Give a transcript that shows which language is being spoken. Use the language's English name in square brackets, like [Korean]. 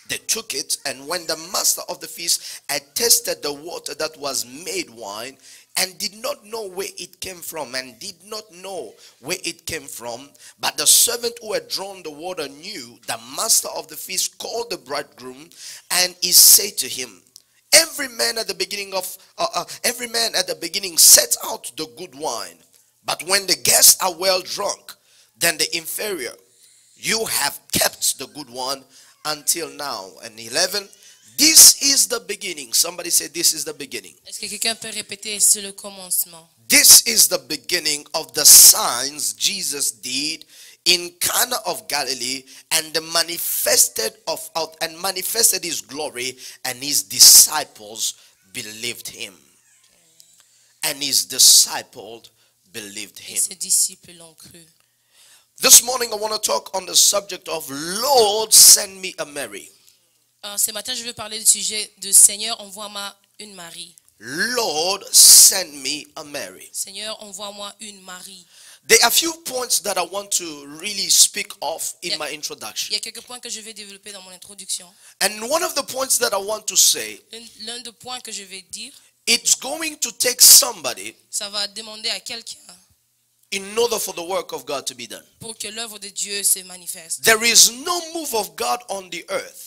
[English] They took it, and when the master of the feast had tested the water that was made wine and did not know where it came from, but the servant who had drawn the water knew, the master of the feast called the bridegroom, and he said to him, every man at the beginning sets out the good wine, but when the guests are well drunk, then the inferior, you have kept the good one until now. And 11, this is the beginning. Somebody say, this is the beginning. [French] Est-ce que quelqu'un peut répéter, c'est le commencement? [English] This is the beginning of the signs Jesus did in Cana of Galilee and manifested his glory, and his disciples believed him. And his disciples believed him. [French] Et ses disciples l'ont cru. [English] This morning I want to talk on the subject of Lord, send me a Mary. [French] Ce matin je veux parler du sujet de Seigneur, envoie-moi une Marie. [English] Lord, send me a Mary. [French] Seigneur, envoie-moi une Marie. [English] There are a few points that I want to really speak of in my introduction. [French] Il y a quelques points que je vais développer dans mon introduction. [English] And one of the points that I want to say, [French] l'un des points que je vais dire, [English] it's going to take somebody. [French] Ça va demander à quelqu'un. [English] in order for the work of God to be done. [French] Pour que l'œuvre de Dieu se manifeste. [English] There is no move of God on the earth.